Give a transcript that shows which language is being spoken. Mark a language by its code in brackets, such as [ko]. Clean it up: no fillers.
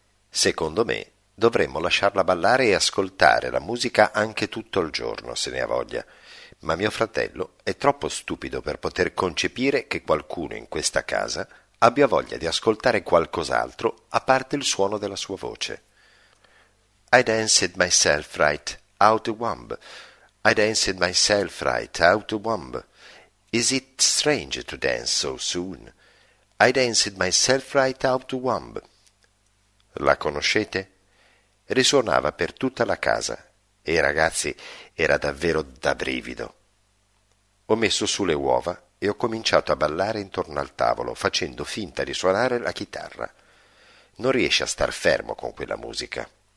[it] Secondo me, dovremmo lasciarla ballare e ascoltare la musica anche tutto il giorno, se ne ha voglia. Ma mio fratello è troppo stupido per poter concepire che qualcuno in questa casa abbia voglia di ascoltare qualcos'altro a parte il suono della sua voce. [en] I danced myself right out of womb. I danced myself right out of womb. Is it strange to dance so soon? I danced myself right out of womb. [it] La conoscete? Risuonava per tutta la casa e, ragazzi, era davvero da brivido. Ho messo su le uova e ho cominciato a ballare intorno al tavolo facendo finta di suonare la chitarra. Non riesce a star fermo con quella musica.